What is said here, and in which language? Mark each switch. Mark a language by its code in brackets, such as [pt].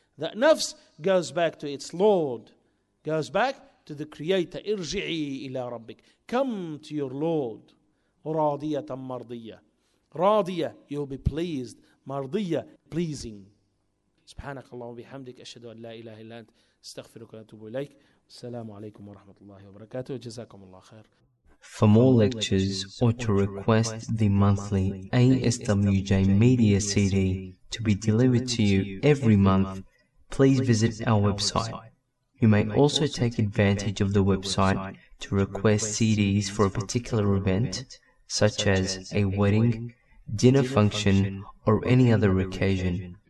[en] That nafs goes back to its Lord. Goes back to the Creator. [ar] ارجعي إلى ربك. [en] Come to your Lord. [ar] راضية مرضية. [en] راضية, you'll be pleased. مرضية, pleasing. [ar] سبحانك اللهم وبحمدك. أشهد أن لا إله إلا أنت. استغفرك وأتوب إليك. السلام عليكم ورحمة الله وبركاته. جزاكم الله خير. [en] For more lectures or to request the monthly ASWJ Media CD to be delivered to you every month, please visit our website. You may also take advantage of the website to request CDs for a particular event, such as a wedding, dinner function, or any other occasion.